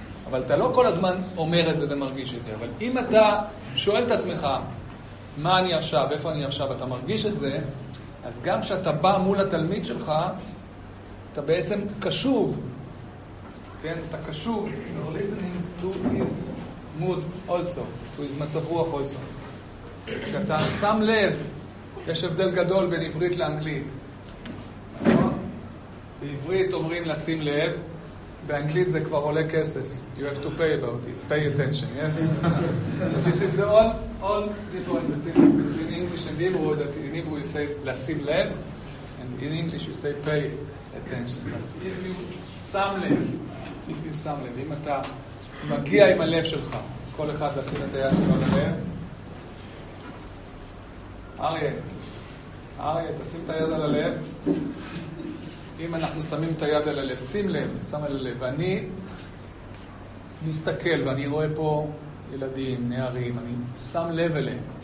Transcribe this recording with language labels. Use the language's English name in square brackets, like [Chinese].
[Hebrew] אבל אתה לא כל הזמן אומר את זה ומרגיש את זה. אבל אם אתה שואל את עצמך, מה אני עכשיו, איפה אני עכשיו, אתה מרגיש את זה, אז גם כשאתה בא מול התלמיד שלך, אתה בעצם קשוב, כן, אתה קשוב, [English] you're listening to his [Hebrew] mood also, to his מצב רוח also. כשאתה שם לב, יש הבדל גדול בין עברית לאנגלית. בעברית אומרים לשים לב, באנגלית זה כבר עולה כסף. [English] You have to pay about it. Pay attention, yes? So this is all different between English and Hebrew, that in Hebrew you say לשים לב, and in English you say pay attention. If you [Hebrew] שם לב, [English] if you [Hebrew] שם לב, אם אתה מגיע עם הלב שלך, כל אחד לשים את היד שלו ללב. אריה, תשים את היד על הלב. אם אנחנו שמים את היד על הלב, שים לב, שם על הלב, ואני מסתכל, ואני רואה פה ילדים, נערים, אני שם לב אליהם.